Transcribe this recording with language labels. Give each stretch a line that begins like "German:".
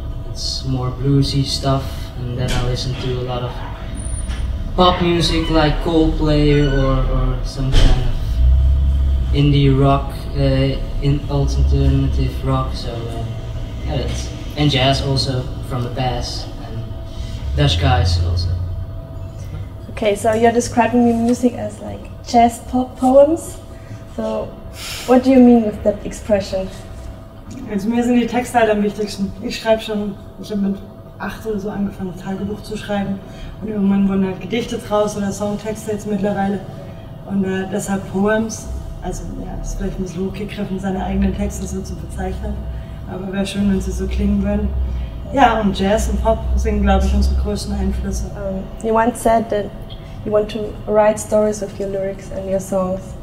English: It's more bluesy stuff, and then I listen to a lot of pop music like Coldplay or some kind of indie rock, alternative rock. So and jazz also from the bass and Dutch guys also. Okay, so you're describing your music as like jazz pop poems. So what do you mean with that expression?
German: Also mir sind die Texte halt am wichtigsten. Ich habe mit 8 oder so angefangen, ein Tagebuch zu schreiben. Und irgendwann wurden halt Gedichte draus oder Songtexte jetzt mittlerweile. Und deshalb Poems. Also ja, ist vielleicht ein bisschen hochgegriffen, seine eigenen Texte so zu bezeichnen. Aber wäre schön, wenn sie so klingen würden. Ja, und Jazz und Pop sind, glaube ich, unsere größten Einflüsse.
English: You once said that you want to write stories with your lyrics and your songs.